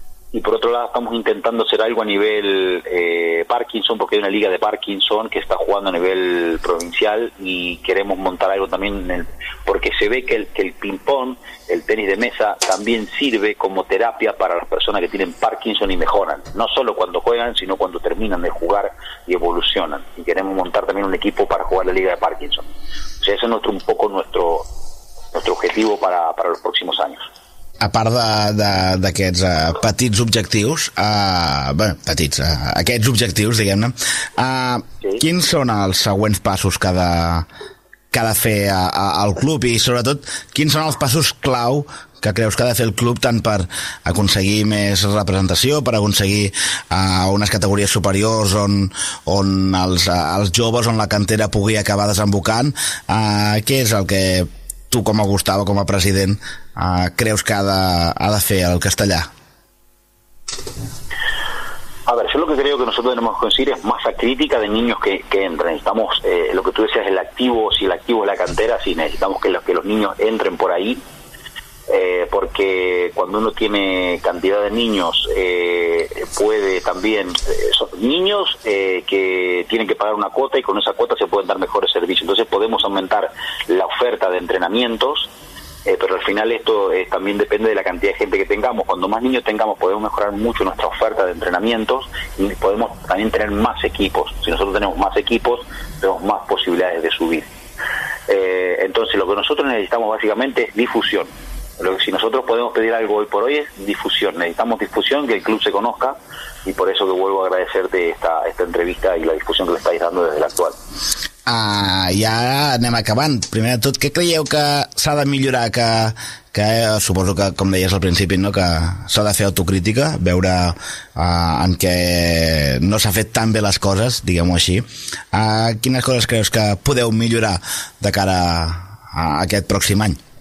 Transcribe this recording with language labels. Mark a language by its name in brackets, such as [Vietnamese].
[Spanish] Y por otro lado, estamos intentando hacer algo a nivel Parkinson, porque hay una liga de Parkinson que está jugando a nivel provincial y queremos montar algo también porque se ve que el ping-pong, el tenis de mesa, también sirve como terapia para las personas que tienen Parkinson y mejoran. No solo cuando juegan, sino cuando terminan de jugar y evolucionan. Y queremos montar también un equipo para jugar la liga de Parkinson. O sea, ese es un poco nuestro objetivo para los próximos años. [Catalan] A part d'aquests petits objectius, aquests objectius, diguem-ne, quins són els següents passos que ha de fer el club, i sobretot quins són els passos clau que creus que ha de fer el club, tant per aconseguir més representació, per aconseguir unes categories superiors on els joves, on la cantera pugui acabar desembocant, què és el que tu, com a Gustavo, com a president, creus que ha de fer el Castellar? [Spanish] A ver, yo lo que creo que nosotros tenemos que conseguir es masa crítica de niños que entren. Necesitamos, lo que tú decías, el activo, si el activo es la cantera, sí, necesitamos que los niños entren por ahí, porque cuando uno tiene cantidad de niños, puede también, son niños que tienen que pagar una cuota y con esa cuota se pueden dar mejores servicios. Entonces podemos aumentar la oferta de entrenamientos, pero al final esto también depende de la cantidad de gente que tengamos. Cuando más niños tengamos, podemos mejorar mucho nuestra oferta de entrenamientos y podemos también tener más equipos. Si nosotros tenemos más equipos, tenemos más posibilidades de subir. Entonces lo que nosotros necesitamos básicamente es difusión. Si nosotros podemos pedir algo hoy por hoy es difusión. Necesitamos difusión, que el club se conozca, y por eso que vuelvo a agradecerte esta entrevista y la difusión que le estáis dando desde el actual. [Catalan] Ja anem acabant. Primer de tot, què creieu que s'ha de millorar? Suposo que, com deies al principi, no?, que s'ha de fer autocrítica, veure en què no s'ha fet tan bé les coses, diguem-ho així. Quines coses creus que podeu millorar de cara a aquest pròxim any?